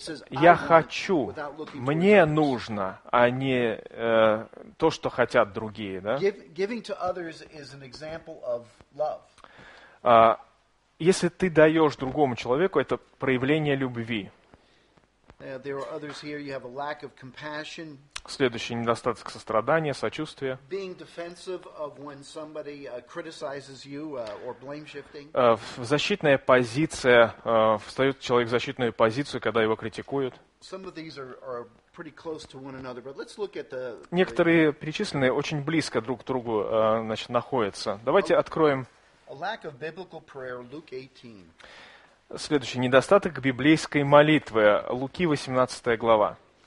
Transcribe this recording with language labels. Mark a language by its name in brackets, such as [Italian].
[Russian] Я хочу. Мне нужно, а не то, что хотят другие. Да? [English] Giving to others is an example of love. [Russian] Если ты даешь другому человеку, это проявление любви. [English] There are others here, you have a lack of compassion. [Russian] Следующий недостаток сострадания, сочувствия. [English] Being defensive of when somebody criticizes you or blame shifting. [Russian] Защитная позиция, встает человек в защитную позицию, когда его критикуют. [English] Some of these are pretty close to one another, but let's look at the. [Russian] Некоторые перечисленные очень близко друг к другу, значит, находятся. Давайте откроем. [English] A lack of biblical prayer, Luke 18. [Russian] Следующий недостаток библейской молитвы. Луки, 18 глава.